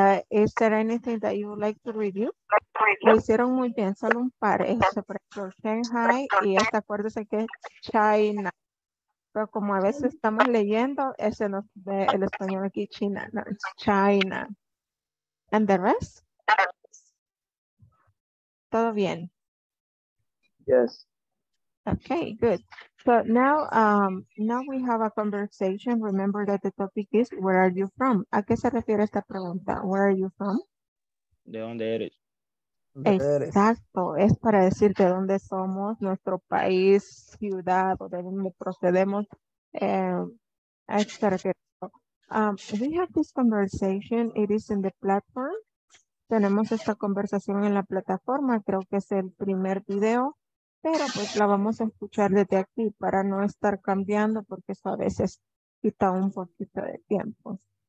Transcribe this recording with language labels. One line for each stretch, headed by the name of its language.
English: Is there anything that you would like to review?
Spanish: Lo hicieron muy bien. Solo un par. Por ejemplo, Shanghai. Y este acuerdo es el que es China. Pero como a veces estamos leyendo, ese nos ve el español aquí, China.
English: No, it's China. And the rest?
Spanish: ¿Todo bien?
English: Yes. Okay, good. So now now we have a conversation. Remember that the topic is, where are you from?
Spanish: ¿A qué se refiere esta pregunta?
English: Where are you from?
Spanish: ¿De dónde eres? Exacto, es para decir de dónde somos, nuestro país, ciudad, o de dónde procedemos.
English: We have this conversation, it is in the platform.
Spanish: Tenemos esta conversación en la plataforma, creo que es el primer video, pero pues la vamos a escuchar desde aquí para no estar cambiando, porque eso a veces quita un poquito de tiempo.